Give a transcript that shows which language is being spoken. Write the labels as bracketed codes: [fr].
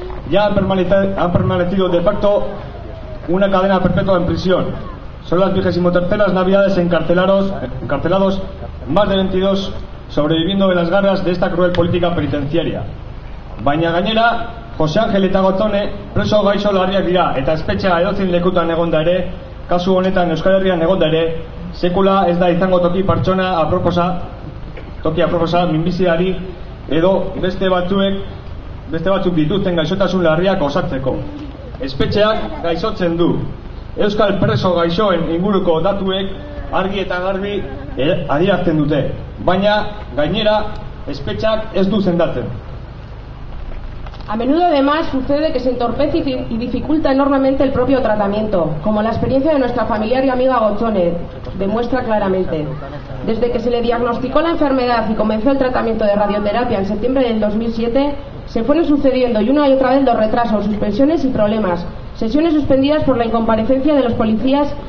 [es] Ya han permanecido de facto una cadena perpetua en prisión. Son las 23 navidades encarcelados, más de 22 sobreviviendo en las garras de esta cruel política penitenciaria. [eu] Baina gainera, José Ángel eta Gotzone preso gaixo larriak dira, eta espetxea edozein lekutan egonda ere, kasu honetan Euskal Herrian egonda ere, sekula ez da izango toki aproposa minbiziari edo beste batzuk dituzten gaixotasun larriak osatzeko. Espetxeak gaixotzen du. Euskal preso gaixoen inguruko datuek argi eta garbi adierazten dute. Baina, gainera, espetxeak ez du sendatzen. [es] A menudo, además, sucede que se entorpece y dificulta enormemente el propio tratamiento, como la experiencia de nuestra familiar y amiga Gotzone demuestra claramente. Desde que se le diagnosticó la enfermedad y comenzó el tratamiento de radioterapia en septiembre del 2007, se fueron sucediendo y una y otra vez los retrasos, suspensiones y problemas, sesiones suspendidas por la incomparecencia de los policías